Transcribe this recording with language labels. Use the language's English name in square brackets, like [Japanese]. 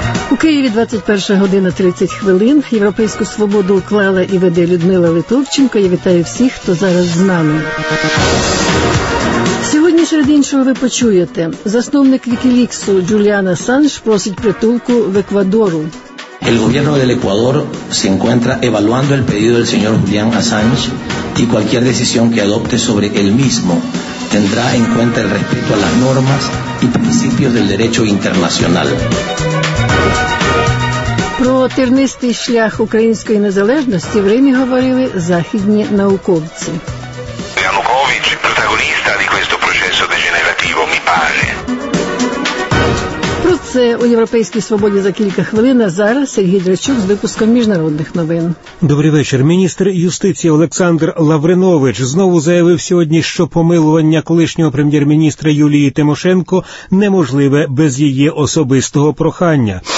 [Ukrainian] У Києві 21 година 30 хвилин. «Європейську свободу» уклала і веде Людмила Литовченко. Я вітаю всіх, хто зараз з нами. Сьогодні, серед іншого, ви почуєте. Засновник Вікіліксу Джуліан Ассанж просить притулку в Еквадору. [Spanish] El gobierno del Ecuador se encuentra evaluando el pedido del señor Julian Assange y cualquier decisión que adopte sobre él mismo tendrá en cuenta el respeto a las normas y principios del derecho internacional. [Ukrainian] Про тернистий шлях української незалежності в Римі говорили західні науковці. [Italian] Янукович – протагоніста di questo processo degenerativo, mi pare. [Ukrainian] Це у «Європейській свободі» за кілька хвилин, а зараз Сергій Драчук з випуском міжнародних новин. Добрий вечір. Міністр юстиції Олександр Лавринович знову заявив сьогодні, що помилування колишнього прем'єр-міністра Юлії Тимошенко неможливе без її особистого прохання.